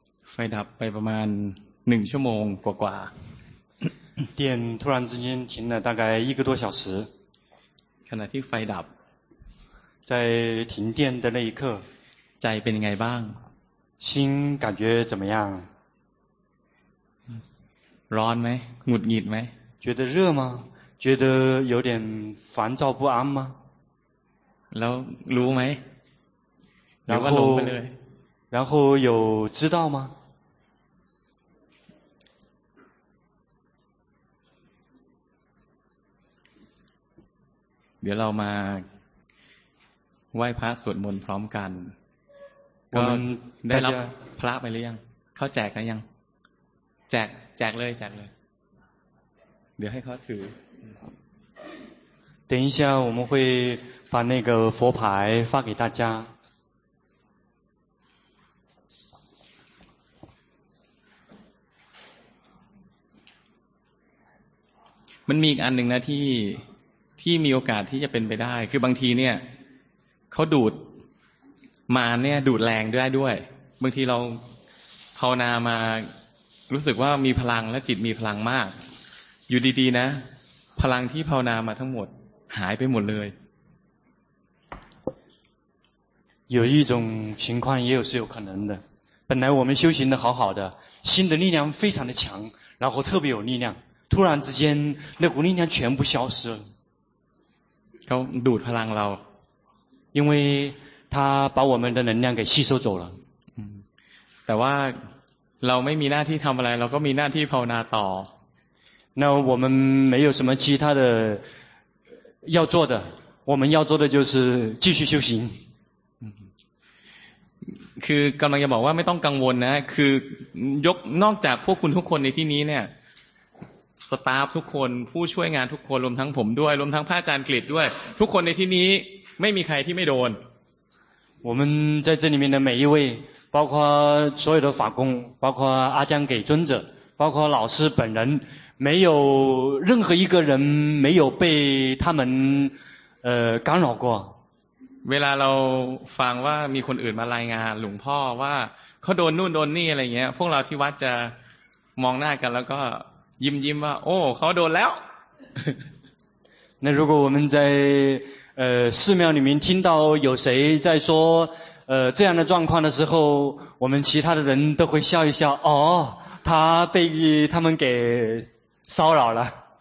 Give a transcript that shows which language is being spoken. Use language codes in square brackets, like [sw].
[th] ไฟดับไปประมาณ1ชั่วโมงกว่า [zh] 电突然之间停了大概一个多小时 [th] ขณะที่ไฟดับ [zh] 在停电的那一刻 [th] ใจเป็นยังไงบ้าง [zh] 心感觉怎么样 [th] ร้อนไหมหงุดหงิดไหม [zh] 觉得热吗觉得有点烦躁不安吗 [th] แล้วรู้ไหม หรือว่าลงไปเลย [zh] 然后有知道吗 [th] เดี๋ยวเรามาไหว้พระสวดมนต์พร้อมกันก็ได้รับพระไปหรือยังเข้าแจกแล้วยังแจกเลยแจกเลยเดี๋ยวให้เขาถือ [zh] 等一下我们会把那个佛牌发给大家 [th] มันมีอีกอันหนึ่งนะที่มีโอกาสที่จะเป็นไปได้คือบางทีเนี่ยเขาดูดมาเนี่ยดูดแรงด้วยบางทีเราภาวนามารู้สึกว่ามีพลังและจิตมีพลังมากอยู่ดีๆนะพลังที่ภาวนามาทั้งหมดหายไปหมดเลย [zh] 有一种情况也有是有可能的本来我们修行的好好的心的力量非常的强然后特别有力量突然之间那股力量全部消失了 [th] เขาดูดพลังเรา [zh] 因为他把我们的能量给吸收走了 [th] แต่ว่าเราไม่มีหน้าที่ทำอะไรเราก็มีหน้าที่ภาวนาต่อ [zh] 那我们没有什么其他的要做的我们要做的就是继续修行 [th] คือกำลังจะบอกว่าไม่ต้องกังวลนะคือยกนอกจากพวกคุณทุกคนในที่นี้เนี่ยสตาฟทุกคนผู้ช่วยงานทุกคนรวมทั้งผมด้วยรวมทั้งพระอาจารย์กฤตด้วยทุกคนในที่นี้ไม่มีใครที่ไม่โดน [zh] 我们在这里面的每一位包括所有的法工包括阿江给尊者包括老师本人没有任何一个人没有被他们干扰过 [th] เวลาเราฟังว่ามีคนอื่นมารายงานหลวงพ่อว่าเขาโดนนู่นโดนนี่อะไรเงี้ยพวกเราที่วัดจะมองหน้ากันแล้วก็ยิ้มว่าโอ้เขาโดนแล้ว [zh] 那如果我们在寺庙里面听到有谁在说这样的状况的时候我们其他的人都会笑一笑哦他被他们给骚扰了